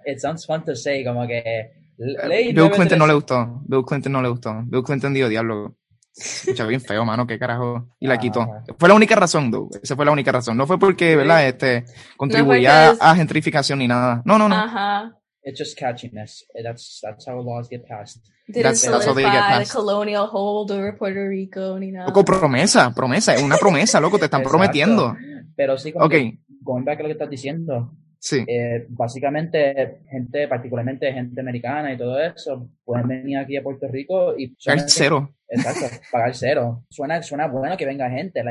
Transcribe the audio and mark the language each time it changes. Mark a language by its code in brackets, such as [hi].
[en] It sounds fun to say, [es] como que Bill Clinton no le gustó. Bill Clinton dio diablo. Escuchaba bien feo, mano, qué carajo. Y la quitó. Fue la única razón, dude. Esa fue la única razón. No fue porque, ¿verdad? Contribuía a gentrificación ni nada. No. Ajá. [en] It's just catchiness. That's how laws get passed. That's how they get passed. The colonial hold over Puerto Rico, [es] ni nada. Loco, promesa. Es una promesa, loco. Te están exacto prometiendo. Pero sí, como okay, [en] going back [es] a lo que estás diciendo. Sí. Básicamente, gente, particularmente gente americana y todo eso, pueden venir aquí a Puerto Rico y pagar cero. Exacto, pagar cero. Suena bueno que venga gente.